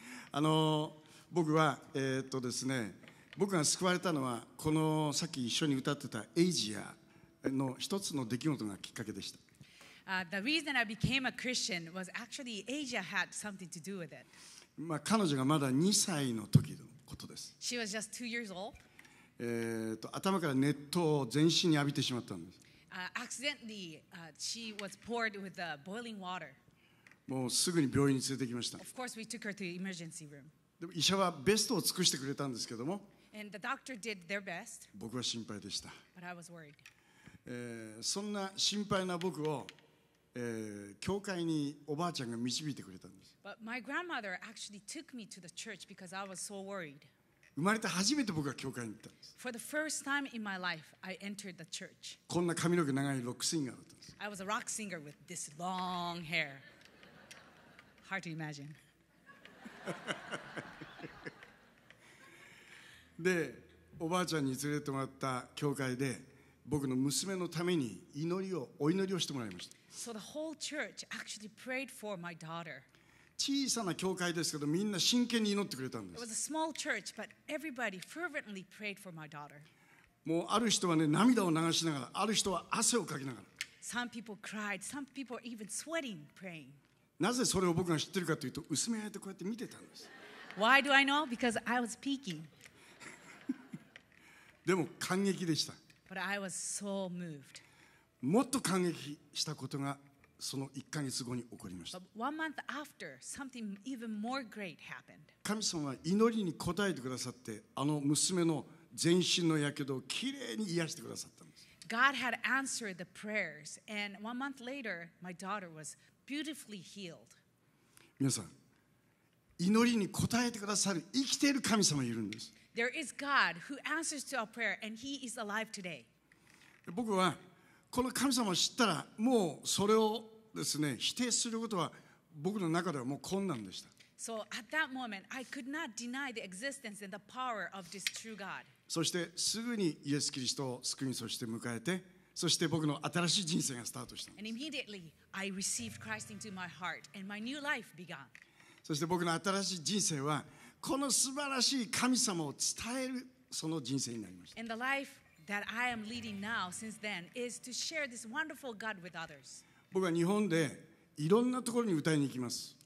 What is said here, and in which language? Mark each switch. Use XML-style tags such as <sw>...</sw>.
<ja>あの僕はですね、僕が救われたのはこのさっき一緒に歌ってたエイジアの一つの出来事がきっかけでした。</ja> <en>The reason I became a Christian was actually Asia had something to do with it.</en> <ja>まあ彼女がまだ2歳の時のことです。</ja> <en>She was just 2 years old.</en> <ja>頭から熱湯を全身に浴びてしまったんです。</ja> <en>Accidentally, she was poured with the boiling water.</en> <ja>もうすぐに病院に連れて行きました。</ja> <en>Of course, we took her to the emergency room.</en> <ja>でも医者はベストを尽くしてくれたんですけども、</ja> <en>And the doctor did their best,</en> <ja>僕は心配でした。</ja> <en>But I was worried.</en> <ja>そんな心配な僕を、教会におばあちゃんが導いてくれたんです。</ja> <en>But my grandmother actually took me to the church because I was so worried.</en> <ja>生まれて初めて僕は教会に行ったんです。</ja> <en>For the first time in my life, I entered the church.</en> <ja>こんな髪の毛長いロックシンガーだったんです。</ja> <en>I was a rock singer with this long hair. Hard to imagine.</en> <ja>でおばあちゃんに連れてもらった教会で僕の娘のために祈りをお祈りをしてもらいました。</ja> <en>So the whole church actually prayed for my daughter.</en> <ja>小さな教会ですけどみんな真剣に祈ってくれたんです。</ja> <en>It was a small church, but everybody fervently prayed for my daughter.</en> <ja>もうある人はね涙を流しながら、ある人は汗をかきながら。</ja> <en>Some people cried, some people even sweating praying.</en> <ja>なぜそれを僕が知ってるかというと、薄目開いてこうやって見てたんです。</ja> <en>Why do I know? Because I was peeking.</en> <ja>でも感激でした。</ja> <en>But I was so moved.</en> <ja>もっと感激したことがその1ヶ月後に起こりました。</ja> <en>But one month after, something even more great happened.</en> <ja>神様は祈りに応えてくださって、あの娘の全身の火傷をきれいに癒してくださったんです。</ja> <en>God had answered the prayers, and one month later, my daughter was beautifully healed.</en> <ja>皆さん、祈りに応えてくださる生きている神様いるんです。</ja> <en>There is God who answers to our prayer, and He is alive today.</en> <ja>僕はこの神様を知ったら、もうそれをですね、否定することは僕の中ではもう困難でした。</ja> <en>So at that moment, I could not deny the existence and the power of this true God.</en> <ja>そしてすぐにイエス・キリストを救い、そして迎えて、そして僕の新しい人生がスタートしたんです。</ja> <en>And immediately, I received Christ into my heart, and my new life began.</en> <ja>そして僕の新しい人生は、この素晴らしい神様を伝えるその人生になりました。</ja> <en>And the life that I am leading now since then is to share this wonderful God with others.</en> <ja>僕は日本でいろんなところに歌いに行きます。</ja>